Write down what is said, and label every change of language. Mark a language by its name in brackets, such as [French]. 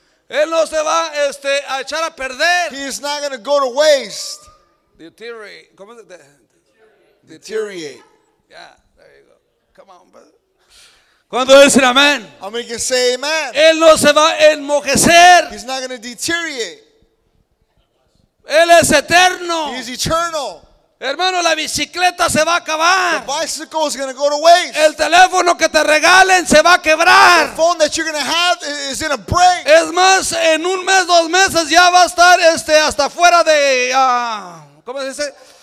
[Spanish] Él no se va a echar a perder. [English] He is not going to go to waste. [Spanish] Deteriorate. ¿Cómo se [English] deteriorate? Yeah, there you go. Come on, brother. [Spanish] ¿Cuándo dicen amén? [English] I'm going to say amen. [Spanish] Él no se va a enmojecer. [English] He's not going to deteriorate. [Spanish] Él es eterno. [English] He is eternal. [Spanish] Hermano, la bicicleta se va a acabar. [English] The bicycle is going to go to waste. [Spanish] El teléfono que te regalen se va a quebrar. [English] The phone that you're going to have is going to break. [Spanish] Es más, en un mes, dos meses ya va a estar hasta fuera de ¿cómo se dice?